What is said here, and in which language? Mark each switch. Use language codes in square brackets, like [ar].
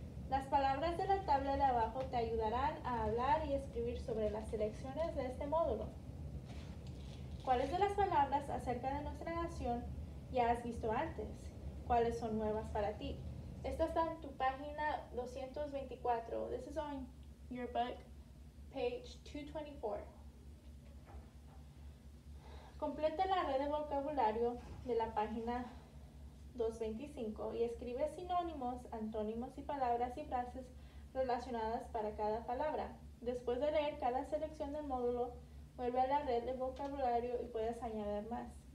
[es] Las palabras de la tabla de abajo te ayudarán a hablar y escribir sobre las elecciones de este módulo. ¿Cuáles de las palabras acerca de nuestra nación ya has visto antes? ¿Cuáles son nuevas para ti? Esto está en tu página 224. [en] This is on your book, page 224. [es] Completa la red de vocabulario de la página 225 y escribe sinónimos, antónimos y palabras y frases relacionadas para cada palabra. Después de leer cada selección del módulo, vuelve a la red de vocabulario y puedes añadir más.